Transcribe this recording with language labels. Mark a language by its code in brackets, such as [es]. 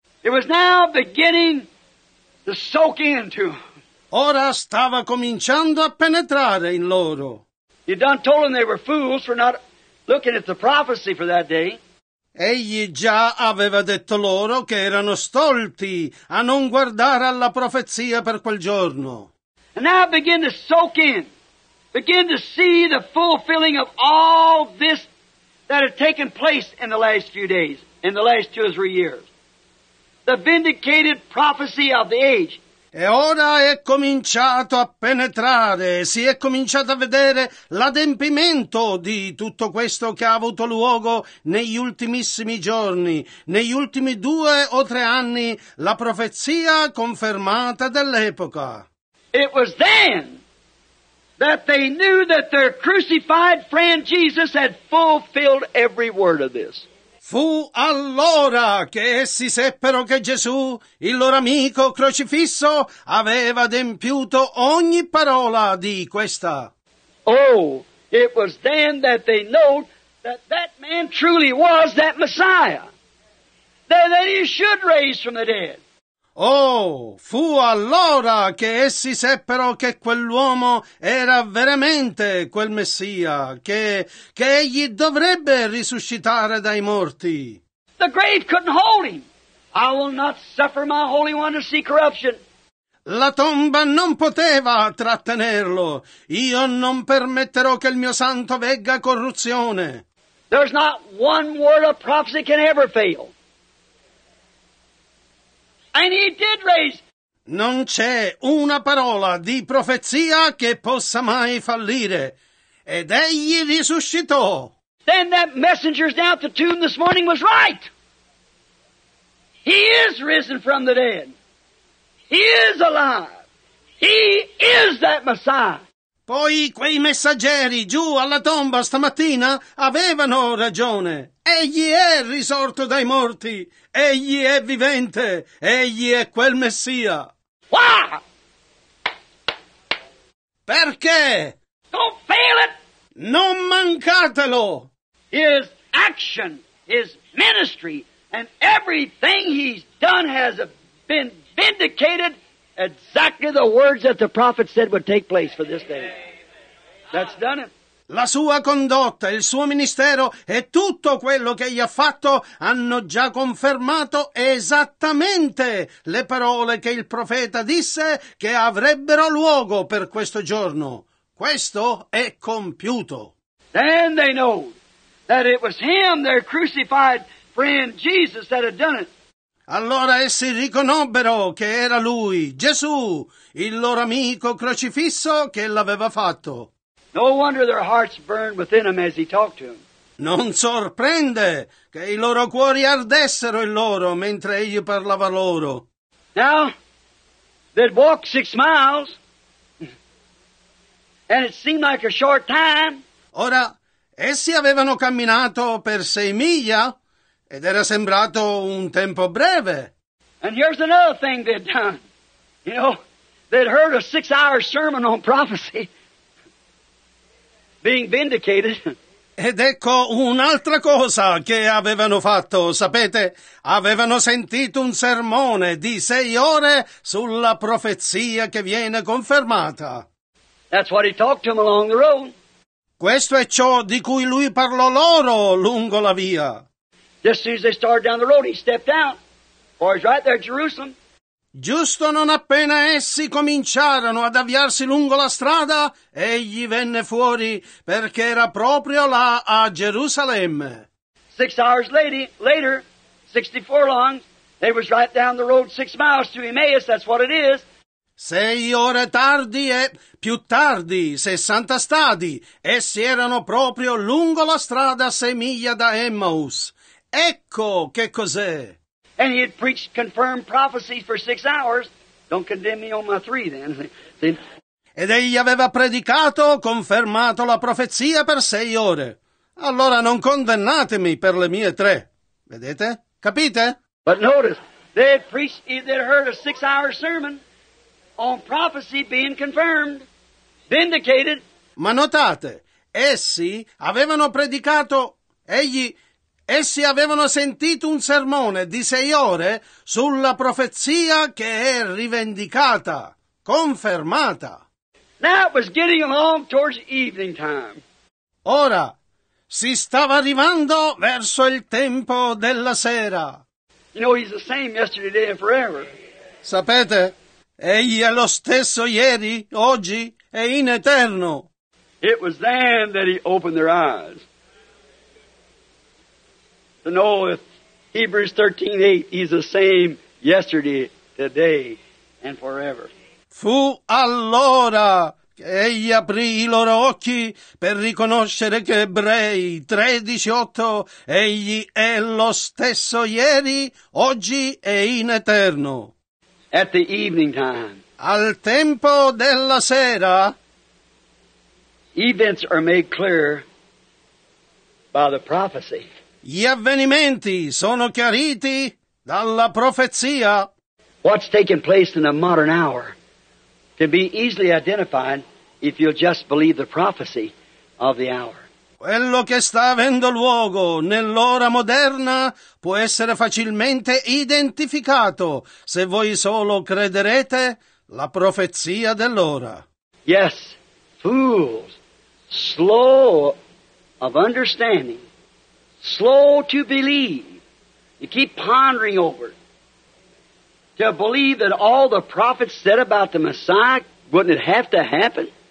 [en] It was now beginning to soak into. [it] Ora stava cominciando a penetrare in loro. [en] You done told them they were fools for not looking at the prophecy for that day. [it] Egli già aveva detto loro che erano stolti a non guardare alla profezia per quel giorno. [en] And now begin to soak in. Begin to see the fulfilling of all this that had taken place in the last few days, in the last two or three years. The vindicated prophecy of the age. [it] E ora è cominciato a penetrare, si è cominciato a vedere l'adempimento di tutto questo che ha avuto luogo negli ultimissimi giorni, negli ultimi due o tre anni, la profezia confermata dell'epoca. [en] It was then that they knew that their crucified friend Jesus had fulfilled every word of this. [it] Fu allora che essi seppero che Gesù, il loro amico crocifisso, aveva adempiuto ogni parola di questa. [en] Oh, it was then that they know that that man truly was that Messiah, that he should raise from the dead. [it] Oh, fu allora che essi seppero che quell'uomo era veramente quel Messia, che egli dovrebbe risuscitare dai morti. [en] The grave couldn't hold him. I will not suffer my Holy One to see corruption. [it] La tomba non poteva trattenerlo. Io non permetterò che il mio santo vegga corruzione. [en] There's not one word of prophecy can ever fail. And he did raise. [it] Non c'è una parola di profezia che possa mai fallire. Ed egli risuscitò. [en] Then that messenger's down at the tomb this morning was right. He is risen from the dead. He is alive. He is that Messiah. [it] Poi quei messaggeri giù alla tomba stamattina avevano ragione. Egli è risorto dai morti. Egli è vivente. Egli è quel Messia. [en] Why? [it] Perché? [en] Don't fail it. [it] Non mancatelo. [en] His action, his ministry, and everything he's done has been vindicated exactly the words that the prophet said would take place for this day. That's done it. [it] La sua condotta, il suo ministero e tutto quello che gli ha fatto hanno già confermato esattamente le parole che il profeta disse che avrebbero luogo per questo giorno. Questo è compiuto. [en] Then they know that it was him, their crucified friend Jesus, that had done it. [it] Allora essi riconobbero che era lui, Gesù, il loro amico crocifisso, che l'aveva fatto. [en] No wonder their hearts burned within them as he talked to them. [it] Non sorprende che i loro cuori ardessero in loro mentre egli parlava loro. [en] Now, they'd walked 6 miles, and it seemed like a short time. [it] Ora, Essi avevano camminato per 6 miglia ed era sembrato un tempo breve. [en] And here's another thing they'd done. You know, they'd heard a 6-hour sermon on prophecy being vindicated. [it] Ed ecco un'altra cosa che avevano fatto, sapete? Avevano sentito un sermone di 6 ore sulla profezia che viene confermata. [en] That's what he talked to them along the road. [it] Questo è ciò di cui lui parlò loro lungo la via. [en] Just as they started down the road, he stepped out. For he's right there at Jerusalem. [it] Giusto non appena essi cominciarono ad avviarsi lungo la strada, egli venne fuori perché era proprio là a Gerusalemme. [en] 6 hours later, 64 long, they was right down the road 6 miles to Emmaus, that's what it is. [it] 6 ore tardi e più tardi, 60 stadi, essi erano proprio lungo la strada 6 miglia da Emmaus. Ecco che cos'è. [en] And he had preached confirmed prophecy for 6 hours. Don't condemn me on my 3 then. [it] Ed egli aveva predicato, confermato la profezia per 6 ore. Allora non condannatemi per le mie 3. Vedete? Capite? [en] But notice, they had preached, they had heard a 6-hour sermon on prophecy being confirmed, vindicated. [it] Ma notate, essi avevano predicato, essi avevano sentito un sermone di 6 ore sulla profezia che è rivendicata, confermata. [en] Now it was getting along towards evening time. [it] Ora, si stava arrivando verso il tempo della sera. [en] You know, he's the same yesterday, today, and forever. [it] Sapete, egli è lo stesso ieri, oggi e in eterno. [en] It was then that he opened their eyes. To know if Hebrews 13:8 is the same yesterday, today, and forever. [it] Fu allora che egli aprì i loro occhi per riconoscere che Ebrei 13:8 egli è lo stesso ieri, oggi e in eterno. [en] At the evening time. [it] Al tempo della sera. [en] Events are made clear by the prophecy. [it] Gli avvenimenti sono chiariti dalla profezia. [en] What's taking place in the modern hour can be easily identified if you'll just believe the prophecy of the hour. [it] Quello che sta avendo luogo nell'ora moderna può essere facilmente identificato se voi solo crederete la profezia dell'ora. [en] Yes, fools, slow of understanding. Slow to believe. You keep pondering over it. To believe that all the prophets said about the Messiah, wouldn't it have to happen?